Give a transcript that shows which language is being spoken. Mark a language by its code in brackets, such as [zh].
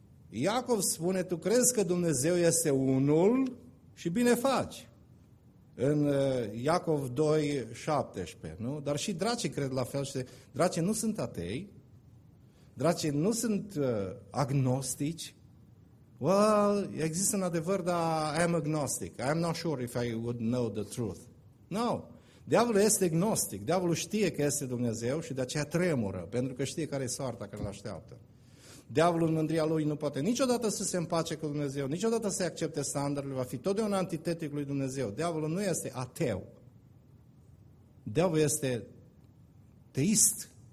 [ro] Iacov spune, tu crezi că Dumnezeu este unul și bine faci. În Iacov 2, 17, nu? Dar și dracii cred la fel. Dracii nu sunt atei, dracii nu sunt agnostici. Well, există în adevăr, dar [en] I am agnostic. I am not sure if I would know the truth. No. [ro] Diavolul este agnostic. Diavolul știe că este Dumnezeu și de aceea tremură, pentru că știe care e soarta care îl așteaptă. Diavolul în mândria lui nu poate niciodată să se împace cu Dumnezeu, niciodată să-i accepte standardele, va fi totdeauna antitetic lui Dumnezeu. Diavolul nu este ateu. Diavolul este teist.